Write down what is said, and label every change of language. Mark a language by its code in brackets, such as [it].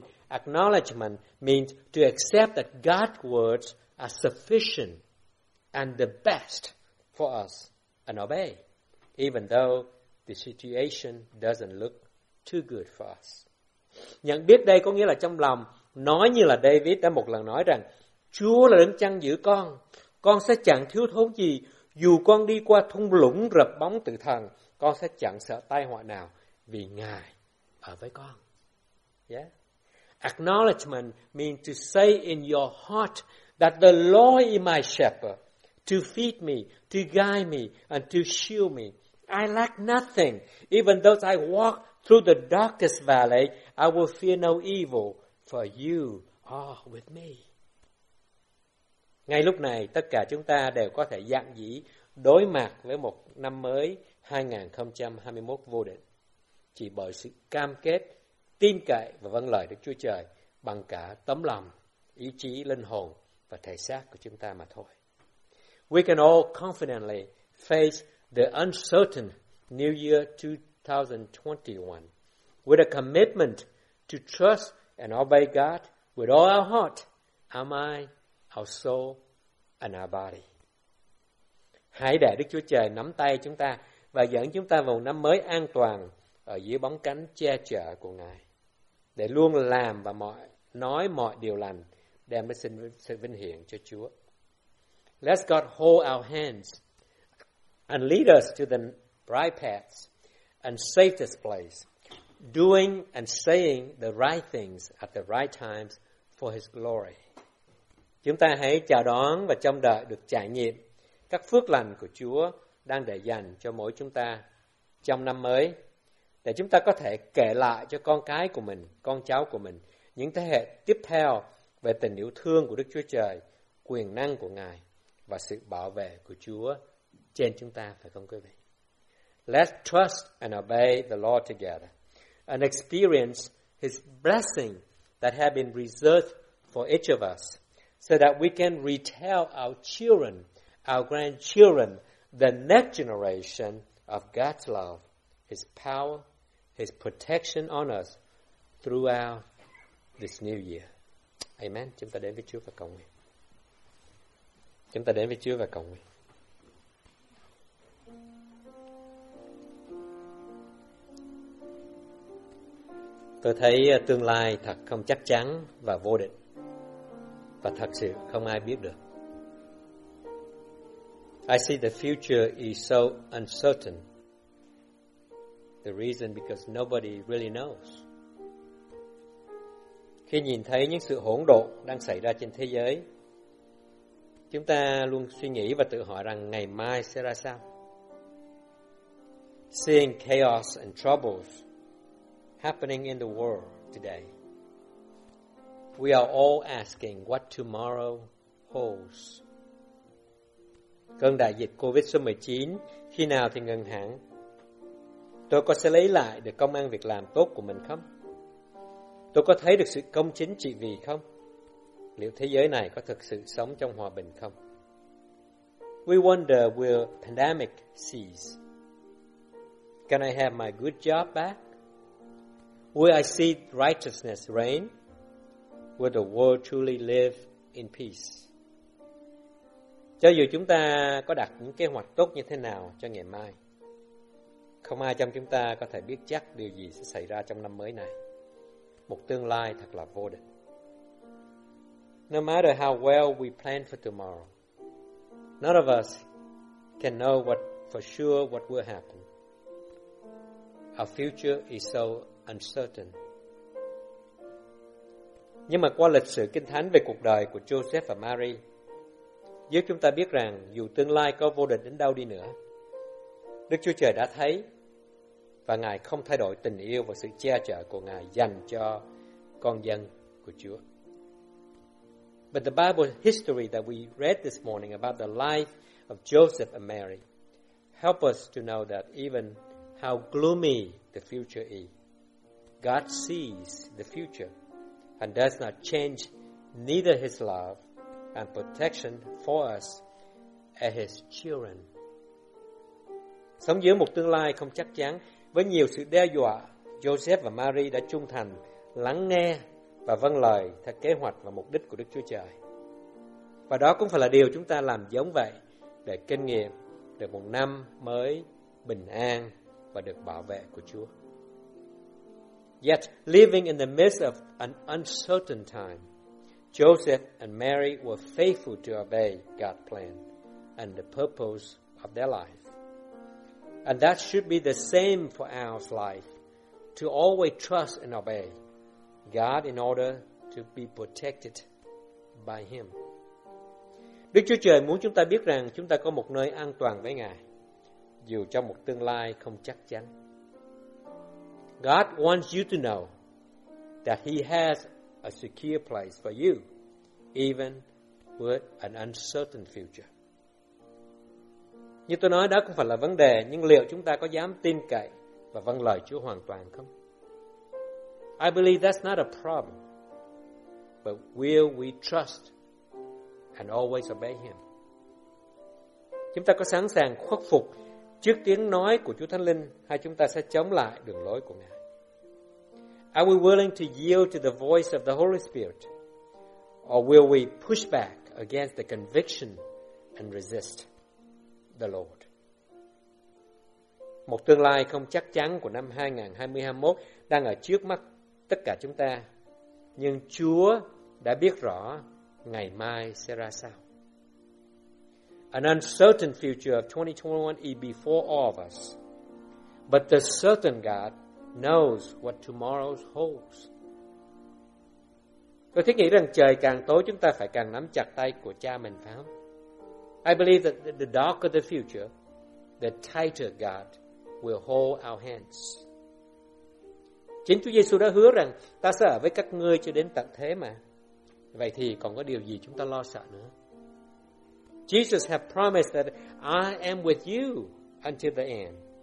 [en] Acknowledgement means to accept that God's words are sufficient and the best for us and obey, even though the situation doesn't look too good for us. [vi] Nhận biết đây có nghĩa là trong lòng nói như là David đã một lần nói rằng Chúa là đấng chăn giữ con sẽ chẳng thiếu thốn gì, dù con đi qua thung lũng rập bóng tử thần, con sẽ chẳng sợ tai họa nào vì Ngài ở với con. [en] Yeah. Acknowledgement means to say in your heart that the Lord is my shepherd, to feed me, to guide me, and to shield me. I lack nothing. Even though I walk through the darkest valley, I will fear no evil, for you are with me. [vi] Ngay lúc này, tất cả chúng ta đều có thể dạn dĩ đối mặt với một năm mới 2021 vô định, chỉ bởi sự cam kết tin cậy và vâng lời Đức Chúa Trời bằng cả tấm lòng, ý chí, linh hồn và thể xác của chúng ta mà thôi. [en] We can all confidently face the uncertain New Year 2021 with a commitment to trust and obey God with all our heart, our mind, our soul, and our body. [vi] Hãy để Đức Chúa Trời nắm tay chúng ta và dẫn chúng ta vào một năm mới an toàn ở dưới bóng cánh che chở của Ngài, để luôn làm và nói mọi điều lành, đem đến sự vinh hiển cho Chúa. [en] Let God hold our hands and lead us to the right paths and safest place, doing and saying the right things at the right times for His glory. [vi] Chúng ta hãy chào đón và trông đợi được trải nghiệm các phước lành của Chúa đang để dành cho mỗi chúng ta trong năm mới, để chúng ta có thể kể lại cho con cái của mình, con cháu của mình, những thế hệ tiếp theo về tình yêu thương của Đức Chúa Trời, quyền năng của Ngài và sự bảo vệ của Chúa trên chúng ta, phải không quý vị? [en] Let's trust and obey the Lord together and experience His blessing that have been reserved for each of us, so that we can retell our children, our grandchildren, the next generation of God's love, His power, His protection on us throughout this new year. Amen. [vi] Chúng ta đến với Chúa và cầu nguyện. Chúng ta đến với Chúa và cầu nguyện. Tôi thấy tương lai thật không chắc chắn và vô định, và thật sự không ai biết được. [en] I see the future is so uncertain. The reason because nobody really knows. [vi] Khi nhìn thấy những sự hỗn độn đang xảy ra trên thế giới, chúng ta luôn suy nghĩ và tự hỏi rằng ngày mai sẽ ra sao. [en] Seeing chaos and troubles happening in the world today, we are all asking what tomorrow holds. [vi] Cơn đại dịch COVID-19 khi nào thì ngừng hẳn? Tôi có sẽ lấy lại được công ăn việc làm tốt của mình không? Tôi có thấy được sự công chính trị vì không? Liệu thế giới này có thực sự sống trong hòa bình không? [en] We wonder, will pandemic cease? Can I have my good job back? Will I see righteousness reign? Will the world truly live in peace? [vi] Cho dù chúng ta có đặt những kế hoạch tốt như thế nào cho ngày mai, không ai trong chúng ta có thể biết chắc điều gì sẽ xảy ra trong năm mới này. Một tương lai thật là vô định. [en] No matter how well we plan for tomorrow, none of us can know for sure what will happen. Our future is so uncertain. [vi] Nhưng mà qua lịch sử kinh thánh về cuộc đời của Joseph và Mary, giúp chúng ta biết rằng dù tương lai có vô định đến đâu đi nữa, Đức Chúa Trời đã thấy và Ngài không thay đổi tình yêu và sự che chở của Ngài dành cho con dân của Chúa. [en] But the Bible history that we read this morning about the life of Joseph and Mary help us to know that even how gloomy the future is, God sees the future and does not change neither His love and protection for us as His children. [vi] Sống giữa một tương lai không chắc chắn, với nhiều sự đe dọa, Joseph và Mary đã trung thành lắng nghe và vâng lời theo kế hoạch và mục đích của Đức Chúa Trời. Và đó cũng phải là điều chúng ta làm giống vậy để kinh nghiệm được một năm mới bình an và được bảo vệ của Chúa. [en] Yet, living in the midst of an uncertain time, Joseph and Mary were faithful to obey God's plan and the purpose of their life. And that should be the same for our life, to always trust and obey God in order to be protected by Him. [vi] Đức Chúa Trời muốn chúng ta biết rằng chúng ta có một nơi an toàn với Ngài, dù trong một tương lai không chắc chắn. [en] God wants you to know that He has a secure place for you, even with an uncertain future. [vi] Như tôi nói, đó cũng phải là vấn đề, nhưng liệu chúng ta có dám tin cậy và vâng lời Chúa hoàn toàn không? [en] I believe that's not a problem, but will we trust and always obey Him? [vi] Chúng ta có sẵn sàng khuất phục trước tiếng nói của Chúa Thánh Linh, hay chúng ta sẽ chống lại đường lối của Ngài? [en] Are we willing to yield to the voice of the Holy Spirit, or will we push back against the conviction and resist the Lord? [vi] Một tương lai không chắc chắn của năm 2021 đang ở trước mắt tất cả chúng ta, nhưng Chúa đã biết rõ ngày mai sẽ ra sao. [en] An uncertain future of 2021 is before all of us, but the certain God knows what tomorrow holds. [vi] Tôi thiết nghĩ rằng trời càng tối, chúng ta phải càng nắm chặt tay của cha mình, phải không? [en] I believe that the darker the future, the tighter God will hold our hands. [vi] Chính Chúa Giêsu đã hứa rằng ta sẽ ở với các ngươi cho đến tận thế mà. Vậy thì còn có điều gì chúng ta lo sợ nữa? [en] Jesus has promised that I am with you until the end.